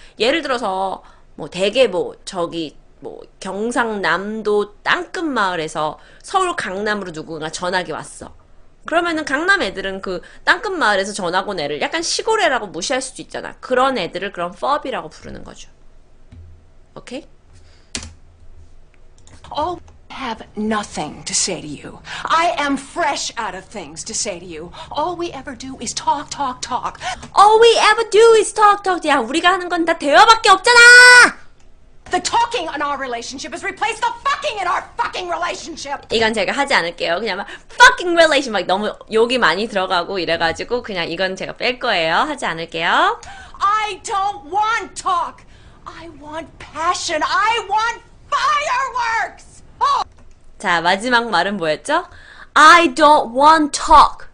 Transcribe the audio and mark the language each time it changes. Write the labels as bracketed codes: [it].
[ko] 예를 들어서, 뭐, 되게 뭐, 저기, 뭐, 경상남도 땅끝 마을에서 서울 강남으로 누군가 전학이 왔어. 그러면은 강남 애들은 그 땅끝 마을에서 전학 온 애를 약간 시골 애라고 무시할 수도 있잖아. 그런 애들을 그럼 펍이라고 부르는 거죠. 오케이? [en] Oh, I have nothing to say to you. I am fresh out of things to say to you. All we ever do is talk, talk, talk. All we ever do is talk, talk. [ko] 야, 우리가 하는 건다 대화밖에 없잖아! [en] The talking in our relationship has replaced the fucking in our fucking relationship. [ko] 이건 제가 하지 않을게요. 그냥 막 fucking relation 막 너무 욕이 많이 들어가고 이래가지고 그냥 이건 제가 뺄 거예요. 하지 않을게요. [en] I don't want talk. I want passion. I want fireworks. [ko] 자, 마지막 말은 뭐였죠? [en] I don't want talk.